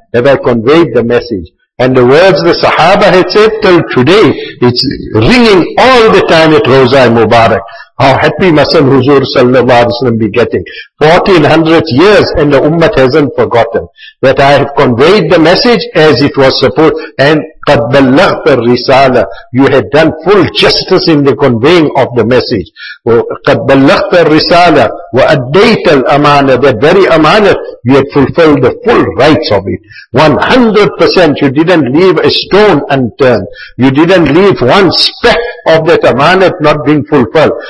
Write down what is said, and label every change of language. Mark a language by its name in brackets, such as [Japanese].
[English] Have I conveyed the message? And the words the Sahaba had said till today, it's ringing all the time at Rozai Mubarak. How happy must Huzur sallallahu alayhi wa sallam be getting. 1400 years and the Ummah hasn't forgotten that I have conveyed the message as it was supposed. [Arabic] And قَدْ بَلَّغْتَ الرِّسَالَةِ. [English] You had done full justice in the conveying of the message. [Arabic] قَدْ بَلَّغْتَ الرِّسَالَةِ وَأَدَّيْتَ الْأَمَانَةِ. [English] That very amanat, you had fulfilled the full rights of it. 100%, you didn't leave a stone unturned. You didn't leave one speck of that amanat not being fulfilled.